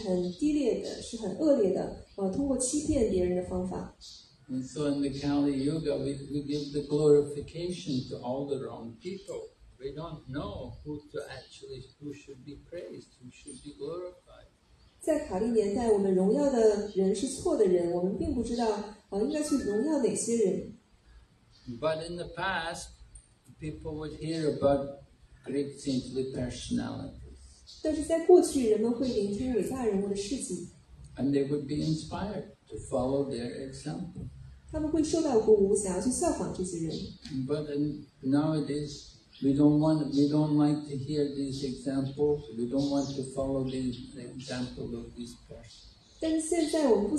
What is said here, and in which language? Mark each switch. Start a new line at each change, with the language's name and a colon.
Chinese: 我们听到的故事通常是那些电影明星啊，或者是那些很有钱的人，他们是怎么赚到钱的，赚了那么多钱，这些人被认为是很成功的人，即使他们赚钱的手段有的时候是很低劣的，是很恶劣的。
English: And so in the Kali Yuga, we give the glorification to all the wrong people. We don't know who should be praised, who should be glorified.
Chinese: 在卡利年代，我们荣耀的人是错的人，我们并不知道应该去荣耀哪些人。
English: But in the past, people would hear about great saintly personalities.
Chinese: 但是在过去，人们会聆听伟大人物的事迹。
English: And they would be inspired to follow their example.
Chinese: 他们会受到鼓舞，想要去效仿这些人。
English: But in, nowadays, we don't like to hear these examples. We don't want to follow the example of these persons.